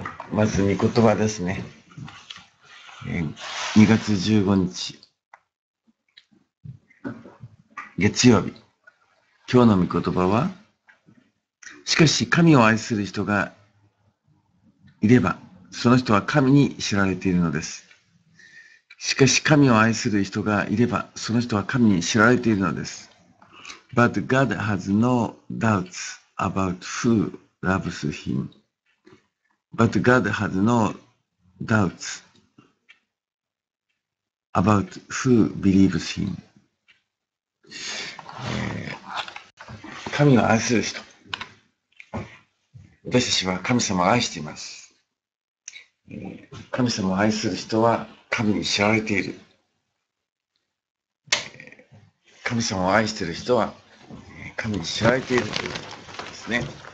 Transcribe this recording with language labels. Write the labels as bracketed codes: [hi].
[ja] まず御言葉ですね。2月15日月曜日、今日の御言葉は、しかし神を愛する人がいれば、その人は神に知られているのです。しかし神を愛する人がいれば、その人は神に知られているのです。 [en] But God has no doubts about who loves him. But God has no doubts about who believes him. [ja] 神を愛する人、私たちは神様を愛しています。神様を愛する人は神に知られている。神様を愛している人は神に知られているですね。